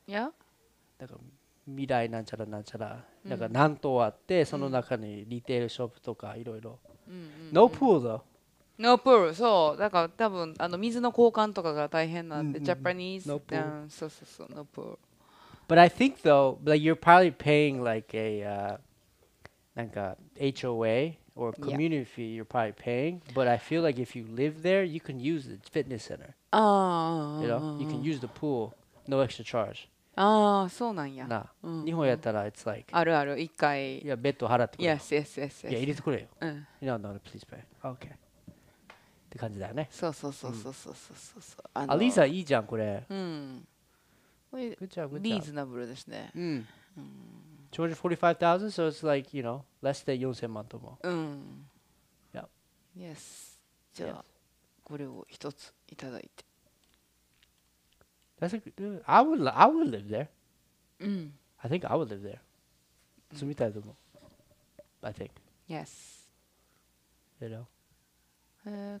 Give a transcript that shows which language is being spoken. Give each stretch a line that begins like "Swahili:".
Japanese: いや、だから未来なんちゃらなんちゃら、だから何棟あって、その中にリテールショップとかいろいろ、ノープールだ、ノープール、そう、だから多分あの水の交換とかが大変なんで、ジャパニーズ、ノープール、そうそうそう、ノープール、
English: But I think though, like you're probably paying like a、なんか HOA. Or community fee you're probably paying, but I feel like if you live there, you can use the fitness center. You know, you can use the pool, no extra charge.
Japanese: Ah, そうなんや。な、日本やったら
English: it's like.
Japanese: あるある、一回。いや、ベッド払ってくれ。
English: Yes, yes, yes, yes.
Japanese: いや、入れてくれよ。うん。いや、なんで、
English: please pay. Okay.
Japanese: って感じだよね。そうそうそうそうそうそうそうそう。あの、アリーさんいいじゃんこれ。うん。グチャグチャ。リーズナブルですね。うん。
English: 245,000, so it's like, you know, less than
Japanese: 4,000 万とも。うん。
English: Yep. Yes.
Japanese: じゃあ、これを一ついただいて。
English: That's a good, I would live there.
Japanese: うん。
English: I think I would live there.
Japanese: 住みたいと思う。
English: I think. Yes. You know?